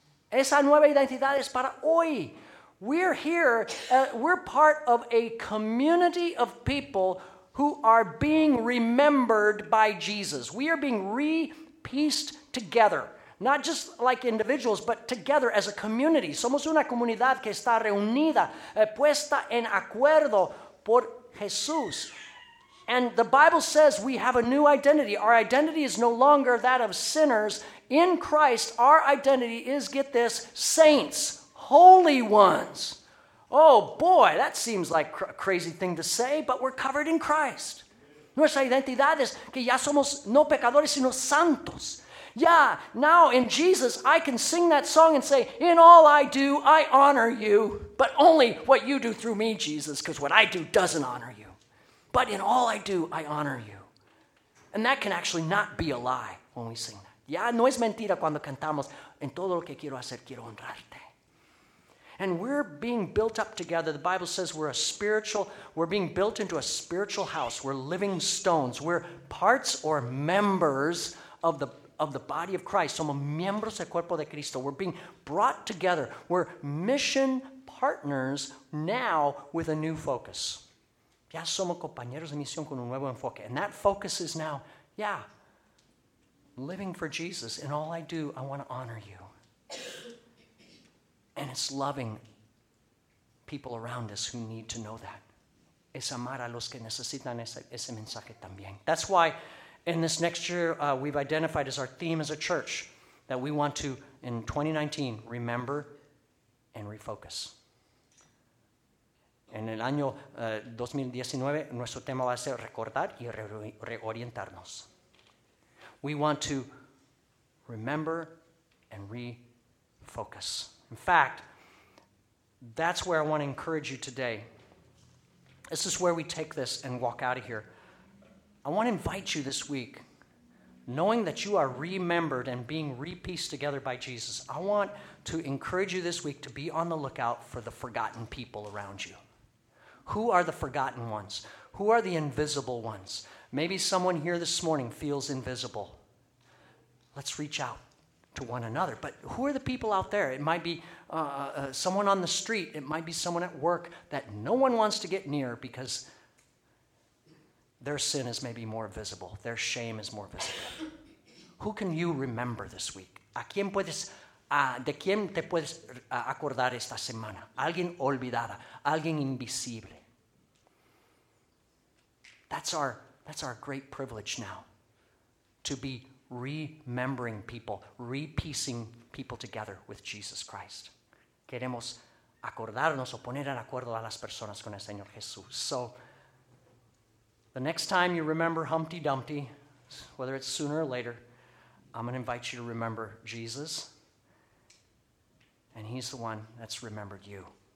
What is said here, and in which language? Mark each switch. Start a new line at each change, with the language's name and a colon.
Spanish: Esa nueva identidad es para hoy.
English: We're here, we're part of a community of people who are being remembered by Jesus. We are being re-pieced together. Not just like individuals, but together as a community.
Spanish: Somos una comunidad que está reunida, puesta en acuerdo por Jesús.
English: And the Bible says we have a new identity. Our identity is no longer that of sinners. In Christ, our identity is, get this, saints, holy ones. Oh boy, that seems like a crazy thing to say, but we're covered in Christ.
Spanish: Nuestra identidad es que ya somos no pecadores, sino santos.
English: Yeah, now in Jesus, I can sing that song and say, in all I do, I honor you, but only what you do through me, Jesus, because what I do doesn't honor you. But in all I do, I honor you. And that can actually not be a lie when we sing that.
Spanish: Yeah, no es mentira cuando cantamos, en todo lo que quiero hacer, quiero honrarte.
English: And we're being built up together. The Bible says we're being built into a spiritual house. We're living stones. We're parts or members of the body of Christ.
Spanish: Somos miembros del cuerpo de Cristo.
English: We're being brought together. We're mission partners now with a new focus.
Spanish: Ya somos compañeros de misión con un nuevo enfoque.
English: And that focus is now, yeah, living for Jesus. In all I do, I want to honor you. And it's loving people around us who need to know that.
Spanish: Es amar a los que necesitan ese mensaje también.
English: That's why in this next year, we've identified as our theme as a church that we want to, in 2019, remember and refocus.
Spanish: En el año 2019, nuestro tema va a ser recordar y reorientarnos.
English: We want to remember and refocus. In fact, that's where I want to encourage you today. This is where we take this and walk out of here. I want to invite you this week, knowing that you are remembered and being re-pieced together by Jesus, I want to encourage you this week to be on the lookout for the forgotten people around you. Who are the forgotten ones? Who are the invisible ones? Maybe someone here this morning feels invisible. Let's reach out to one another. But who are the people out there? It might be someone on the street. It might be someone at work that no one wants to get near because their sin is maybe more visible. Their shame is more visible. Who can you remember this week?
Spanish: ¿A quién puedes, de quién te puedes acordar esta semana? Alguien olvidada. Alguien invisible.
English: That's our great privilege now, to be remembering people, re-piecing people together with Jesus Christ.
Spanish: Queremos acordarnos o poner en acuerdo a las personas con el Señor Jesús.
English: So, the next time you remember Humpty Dumpty, whether it's sooner or later, I'm going to invite you to remember Jesus, and he's the one that's remembered you.